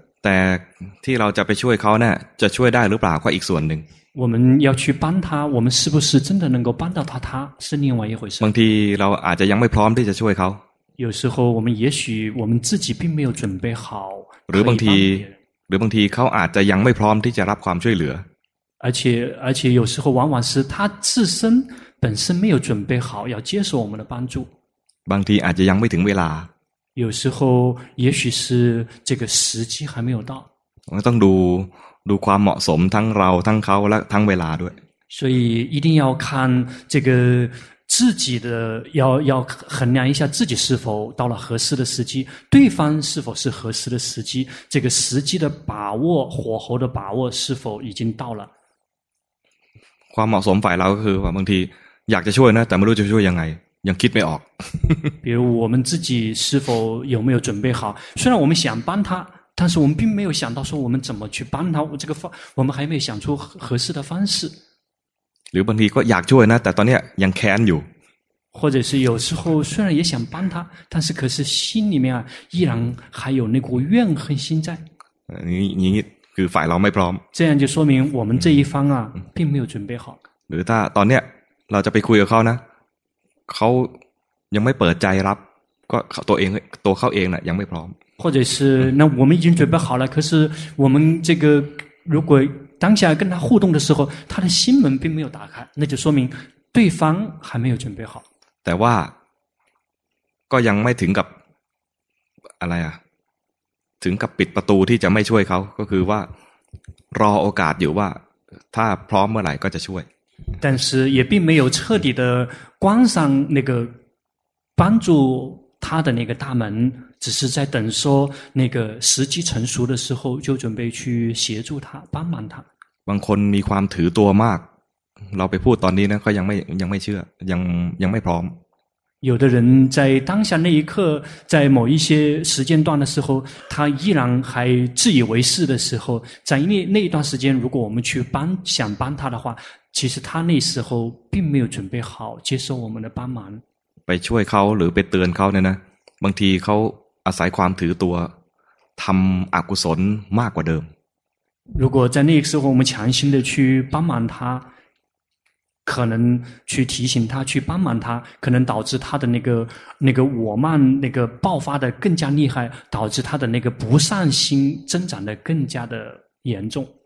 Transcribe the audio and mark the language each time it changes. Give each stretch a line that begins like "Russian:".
Thai: แต่ที่เราจะไปช่วยเขาเนี่ยจะช่วยได้หรือเปล่าก็อีกส่วนหนึ่ง
Chinese: 我们要去帮他我们是不是真的能够帮到他是另外一回事
Thai: บางทีเราอาจจะยังไม่พร้อมที่จะช่วยเขา
Chinese: 有时候我们也许我们自己并没有准备好
Thai: หรือบางทีเขาอาจจะยังไม่พร้อมที่จะรับความช่วยเหลือ
Chinese: 而且有时候往往是他自身本身没有准备好要接受我们的帮助
Thai: บางทีอาจจะยังไม่ถึงเวลา
Chinese: 有时候也许是这个时机还没有到我们
Thai: ต้องดูความเหมาะสมทั้งเราทั้งเขาและทั้งเวลาด้วย
Chinese: 所以一定要看这个自己的要衡量一下自己是否到了合适的时机对方是否是合适的时机这个时机的把握火候的把握是否已经到了
Thai: ความเหมาะสมฝ่ายเราก็คือบางทีอยากจะช่วยนะแต่ไม่รู้จะช่วยยังไงยังคิดไม่ออก
Chinese: 比如我们自己是否有没有准备好虽然我们想帮他但是我们并没有想到说我们怎么去帮他这个方我们还没有想出合适的方式
Thai: หรือบางทีก็อยากช่วยนะแต่ตอนนี้ยังแค้นอยู่
Chinese: 或者是有时候虽然也想帮他但是可是心里面依然还有那股怨恨心在你
Thai: คือฝ่ายเราไม่พร้อม
Chinese: 这样就说明我们这一方啊并没有准备好
Thai: หรือถ้าตอนนี้เราจะไปคุยกับเขานะเขา ยังไม่เปิดใจรับก็ตัวเองตัวเข้าเองน่ะยังไม่พร้อม
Chinese: 或者是那我们已经准备好了可是我们这个如果当下跟他互动的时候他的心门并没有打开那就说明对方还没有准备好
Thai: แต่ว่าก็ยังไม่ถึงกับอะไรอ่ะถึงกับปิดประตูที่จะไม่ช่วยเขาก็คือว่ารอโอกาสอยู่ว่าถ้าพร้อมเมื่อไหร่ก็จะช่วย
Chinese: 但是也并没有彻底的关上那个帮助他的那个大门只是在等说那个时机成熟的时候就准备去协助他帮忙他
Thai: บางคนมีความถือตัวมากเราไปพูดตอนนี้นะเขายังไม่เชื่อยังไม่พร้อม
Chinese: 有的人在当下那一刻在某一些时间段的时候他依然还自以为是的时候在因为那一段时间如果我们去帮想帮他的话其实他那时候并没有准备好接受我们的帮忙
Thai: ไปช่วยเขาหรือไปเตือนเขาเนี่ยนะบางทีเขาอาศัยความถือตัวทำอกุศลมากกว่าเดิม
Chinese: 如果在那个时候我们强行的去帮忙他可能去提醒他去帮忙他可能导致他的那个我慢那个爆发的更加厉害导致他的那个不善心增长的更加的严重